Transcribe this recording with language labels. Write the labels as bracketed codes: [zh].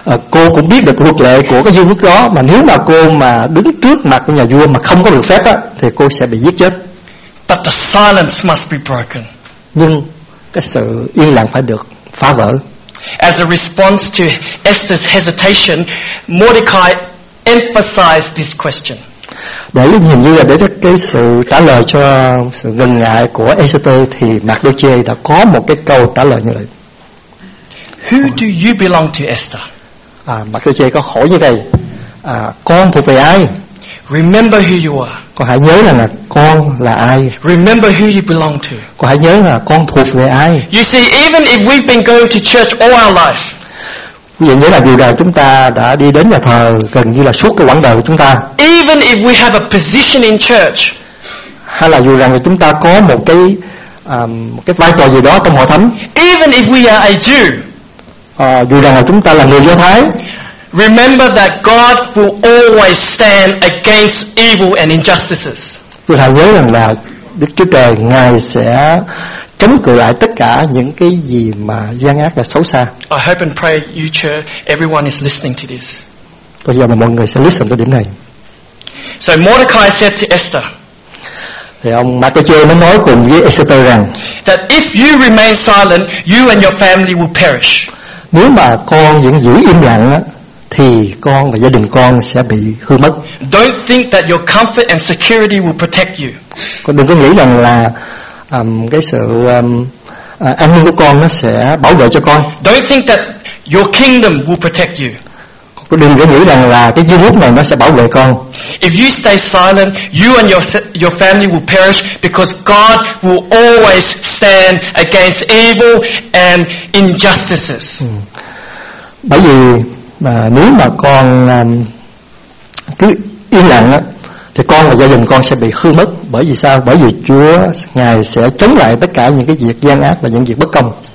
[vi] Cô cũng biết được luật lệ của cái vương quốc đó, mà nếu mà cô mà đứng trước mặt của nhà vua mà không có được phép á thì cô sẽ bị giết chết. [en] But the silence must be broken. [vi] Nhưng cái sự yên lặng phải được phá vỡ. [en] As a response to Esther's hesitation, Mordecai emphasized this question. [vi] Để nhìn như là để cái sự trả lời cho sự ngần ngại của Esther thì Mordecai đã có một cái câu trả lời như vậy. [en] Who do you belong to, Esther? [vi] Mordecai có hỏi như vậy. Con thuộc về ai? [en] Remember who you are. [vi] Con hãy nhớ là con là ai. [en] Remember who you belong to. [vi] Con hãy nhớ là con thuộc về ai. [en] You see, even if we've been going to church all our life. [vi] Quý vị nhớ là điều nào chúng ta đã đi đến nhà thờ gần như là suốt cái quãng đời của chúng ta. [en] Even if we have a position in church. [vi] Hay là dù rằng là chúng ta có một cái vai trò gì đó trong hội thánh. [en] Even if we are a Jew. [vi] Dù rằng là chúng ta là người Do Thái. [en] Remember that God will always stand against evil and injustices. [vi] Chúng ta nhớ rằng là Đức Chúa Trời Ngài sẽ chống cự lại tất cả những cái gì mà gian ác và xấu xa. [en] I hope and pray you church, everyone is listening to this. [vi] Tôi hy vọng là mọi người sẽ listen tới điểm này. [en] So Mordecai said to Esther. [vi] Thì ông Mordecai mới nói cùng với Esther rằng. [en] That if you remain silent, you and your family will perish. [vi] Nếu mà con vẫn giữ im lặng á. Thì con và gia đình con sẽ bị hư mất. [en] Don't think that your comfort and security will protect you. [vi] Con đừng có nghĩ rằng là cái sự an ninh của con nó sẽ bảo vệ cho con. [en] Don't think that your kingdom will protect you. [vi] Con đừng có nghĩ rằng là cái vương quốc này nó sẽ bảo vệ con. [en] If you stay silent, you and your family will perish because God will always stand against evil and injustices. [vi] Bởi vì mà nếu mà con cứ im lặng á thì con và gia đình con sẽ bị hư mất. Bởi vì sao? Bởi vì Chúa Ngài sẽ chống lại tất cả những cái việc gian ác và những việc bất công.